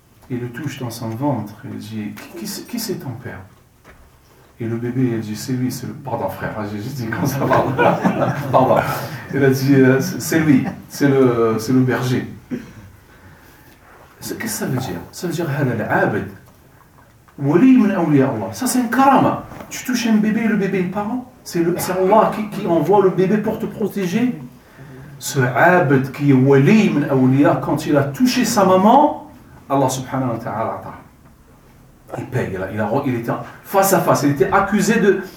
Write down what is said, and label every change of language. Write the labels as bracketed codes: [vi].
[fr] Il le touche dans son ventre. Il dit, qui c'est ton père? Et le bébé, il dit, c'est lui, c'est le... Pardon, frère, j'ai juste dit comme ça. Pardon. Il a dit, c'est lui, c'est le berger. Qu'est-ce que ça veut dire? Ça veut dire, [ar] هذا العابد ولي من أولياء الله. [fr] Ça, c'est un karama. Tu touches un bébé, le bébé est parent. C'est Allah qui envoie le bébé pour te protéger. Ce abd qui est wali min awliya, quand il a touché sa maman, Allah subhanahu wa ta'ala ata. Il paye, il était face à face, il était accusé de...